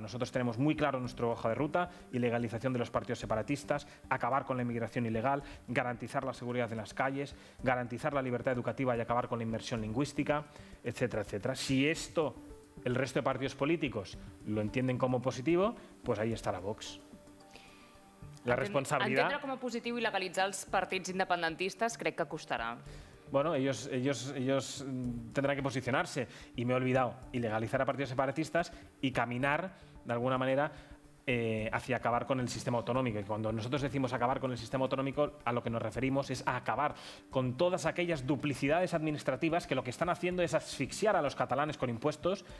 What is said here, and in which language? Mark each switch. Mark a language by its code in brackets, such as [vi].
[es] Nosotros tenemos muy claro nuestra hoja de ruta: ilegalización de los partidos separatistas, acabar con la inmigración ilegal, garantizar la seguridad en las calles, garantizar la libertad educativa y acabar con la inmersión lingüística, etcétera, etcétera. Si esto el resto de partidos políticos lo entienden como positivo, pues ahí estará Vox. La responsabilidad. [ca] Entendre com a positiu i legalitzar els partits independentistes crec que costarà. [es] Bueno, ellos tendrán que posicionarse. Y me he olvidado, ilegalizar a partidos separatistas y caminar, de alguna manera, hacia acabar con el sistema autonómico. Y cuando nosotros decimos acabar con el sistema autonómico, a lo que nos referimos es a acabar con todas aquellas duplicidades administrativas que lo que están haciendo es asfixiar a los catalanes con impuestos.